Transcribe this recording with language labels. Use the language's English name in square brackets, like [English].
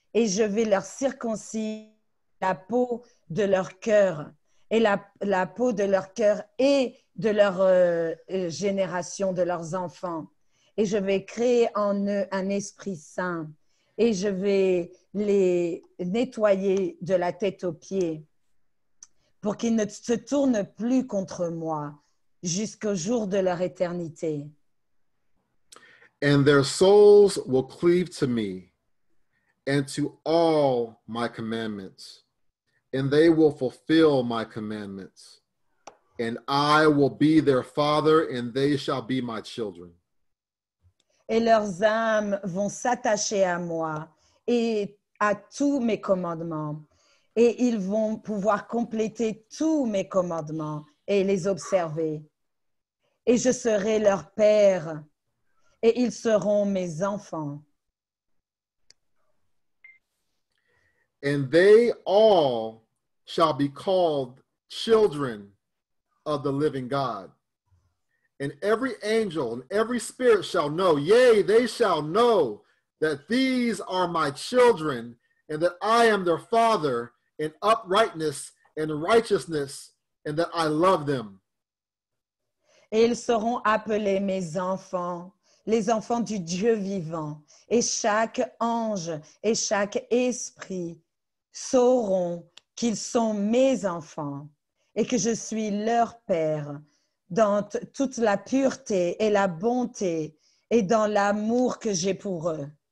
[French] Et je vais leur circoncire la peau de leur cœur et la peau de leur cœur et de leur génération, de leurs enfants. Et je vais créer en eux un esprit saint. Et je vais les nettoyer de la tête aux pieds pour qu'ils ne se tournent plus contre moi jusqu'au jour de leur éternité. [English] And their souls will cleave to me and to all my commandments, and they will fulfill my commandments, and I will be their father, and they shall be my children. [French] Et leurs âmes vont s'attacher à moi et à tous mes commandements. Et ils vont pouvoir compléter tous mes commandements et les observer. Et je serai leur père et ils seront mes enfants. [English] And they all shall be called children of the living God. And every angel and every spirit shall know, yea, they shall know that these are my children and that I am their father in uprightness and righteousness and that I love them. [French] Et ils seront appelés mes enfants, les enfants du Dieu vivant. Et chaque ange et chaque esprit sauront qu'ils sont mes enfants et que je suis leur père. Dans toute la pureté et la bonté et dans l'amour que j'ai pour eux.